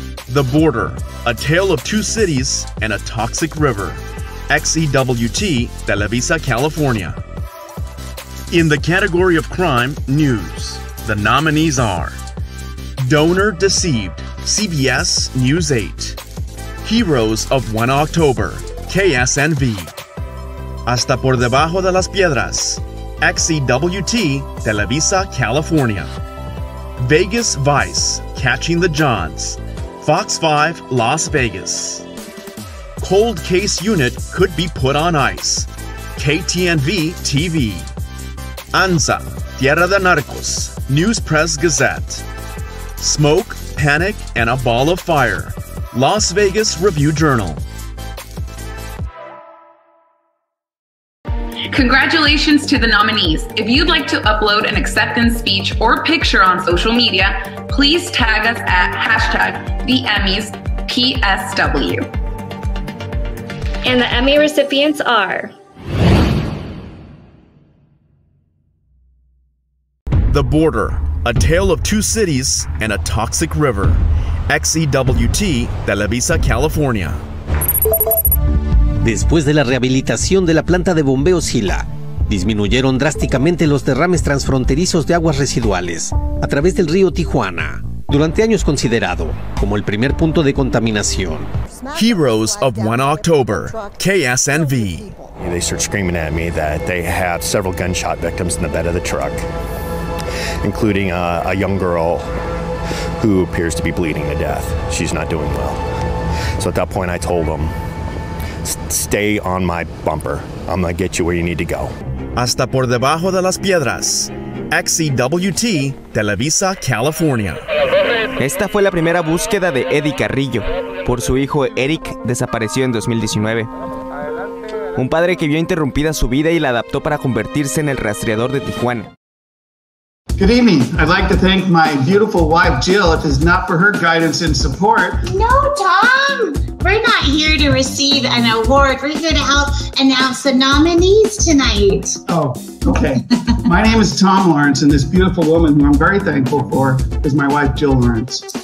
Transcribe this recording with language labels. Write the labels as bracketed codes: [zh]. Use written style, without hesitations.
[en] The Border, a tale of two cities and a toxic river, XEWT, Televisa, California. In the category of crime, news, the nominees are Donor Deceived, CBS News 8. Heroes of 1 October, KSNV. [es] Hasta por debajo de las piedras, XEWT, Televisa, California. [en] Vegas Vice, Catching the Johns, Fox 5, Las Vegas. Cold Case Unit Could Be Put on Ice, KTNV TV. ANZA, Tierra de Narcos, News Press Gazette. Smoke, Panic, and a Ball of Fire, Las Vegas Review Journal. Congratulations to the nominees. If you'd like to upload an acceptance speech or picture on social media, please tag us at hashtag the Emmys PSW. And the Emmy recipients are... The Border, a tale of two cities and a toxic river, XEWT, Televisa, California. [es] Después de la rehabilitación de la planta de bombeo Sila, disminuyeron drásticamente los derrames transfronterizos de aguas residuales a través del río Tijuana, durante años considerado como el primer punto de contaminación. [en] Heroes of 1 October, KSNV. They start screaming at me that they have several gunshot victims in the bed of the truck, including a young girl who appears to be bleeding to death. She's not doing well. So at that point I told them, stay on my bumper. I'm gonna get you where you need to go. [es] Hasta por debajo de las piedras, XEWT, Televisa, California. Esta fue la primera búsqueda de Eddie Carrillo por su hijo Eric, desapareció en 2019. Un padre que vio interrumpida su vida y la adaptó para convertirse en el rastreador de Tijuana. [en] Good evening. I'd like to thank my beautiful wife, Jill, if it's not for her guidance and support. No, Tom! We're not here to receive an award. We're here to help announce the nominees tonight. Oh, okay. My name is Tom Lawrence, and this beautiful woman who I'm very thankful for is my wife, Jill Lawrence.